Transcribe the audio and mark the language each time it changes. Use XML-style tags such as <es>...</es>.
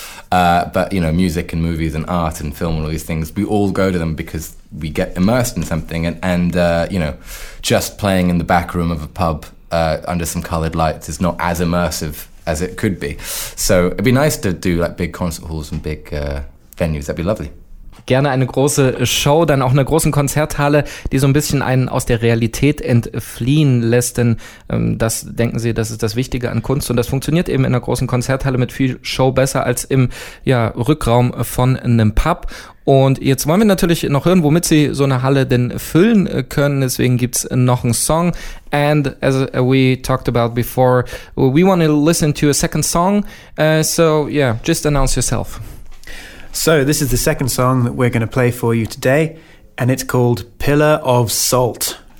<en>But you know, music and movies and art and film and all these things, we all go to them because we get immersed in something. And you know, just playing in the back room of a pub under some colored lights is not as immersive as it could be. So it'd be nice to do like big concert halls and big venues, that'd be lovely.</en> <de>Gerne eine große Show, dann auch eine große Konzerthalle, die so ein bisschen einen aus der Realität entfliehen lässt, denn das, denken Sie, das ist das Wichtige an Kunst, und das funktioniert eben in einer großen Konzerthalle mit viel Show besser als im Rückraum von einem Pub. Und jetzt wollen wir natürlich noch hören, womit Sie so eine Halle denn füllen können. Deswegen gibt's noch einen Song.</de> <en>And as we talked about before, we want to listen to a second song. So just announce yourself. So this is the second song that we're going to play for you today, and it's called Pillar of Salt.</en>